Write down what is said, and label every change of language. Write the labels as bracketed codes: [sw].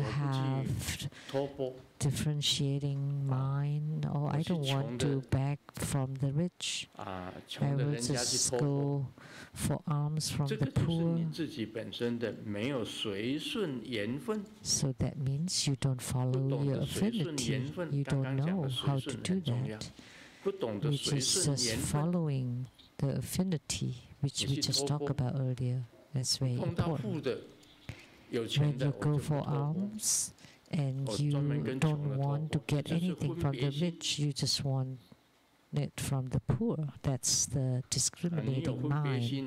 [en] You have differentiating mind. Oh, I don't want to beg from the rich. [zh] 啊，穷的人家去托钵。 [en] I will just go for alms from the poor. [zh] 这个就是你自己本身的没有随顺缘分。 [en] So that means you don't follow your affinity. You don't know how to do that. [zh] 不懂得随顺缘分。 [en] Which is just following the affinity, which we just talked about earlier. That's very important. [zh] 碰到富的，有钱的，我就去托钵。 [en] When you go for alms. And you don't want to get anything from the rich, you just want it from the poor. That's the discriminating mind.